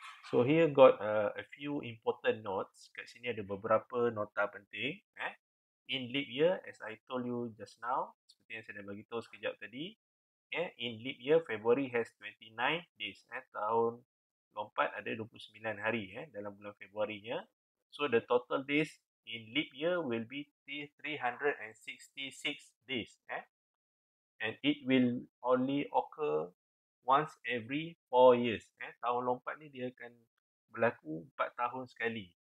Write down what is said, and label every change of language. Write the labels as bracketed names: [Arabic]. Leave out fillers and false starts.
[English] So here got a few important notes. [Malay] Kat sini ada beberapa nota penting. [English] In leap year, as I told you just now, [Malay] seperti yang saya dah bagi tahu sekejap tadi, [English] in leap year, February has 29 days. [Malay] Tahun lompat ada 29 hari dalam bulan Februarinya. [English] So the total days in leap year will be 366 days. And it will only occur once every 4 years. [Malay] Tahun lompat ni dia akan berlaku 4 tahun sekali.